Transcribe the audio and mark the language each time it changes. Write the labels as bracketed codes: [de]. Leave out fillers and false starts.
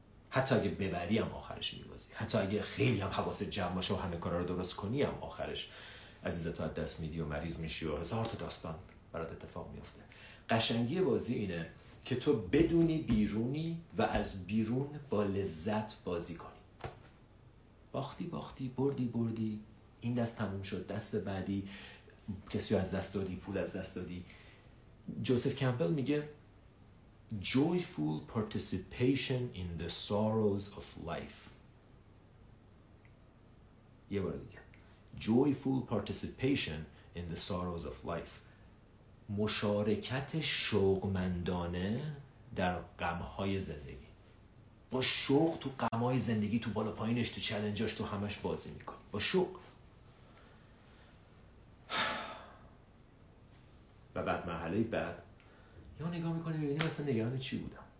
[fa] حتی اگه ببری هم آخرش میبازی، حتی اگه خیلی هم حواست جمع باشه و همه کارا رو درست کنی هم آخرش عزیزت رو از دست میدی و مریض میشی و هزار تا داستان برات اتفاق میفته. قشنگی بازی اینه که تو بدونی بیرونی و از بیرون با لذت بازی کنی. باختی باختی، بردی بردی، این دست تموم شد، دست بعدی کسی از دست دادی، پول از دست دادی. جوزف کمپل میگه [en] joyful participation in the sorrows of life. [fa] یه بار دیگه، [en] joyful participation in the sorrows of life، [fa] مشارکت شوقمندانه در غمهای زندگی. با شوق تو غمهای زندگی، تو بالا پایینش، تو چلنجاش، تو همش بازی میکنی با شوق. و بعد مرحله بعد یا نگاه میکنه میبینی اصلا نگران چی بودم.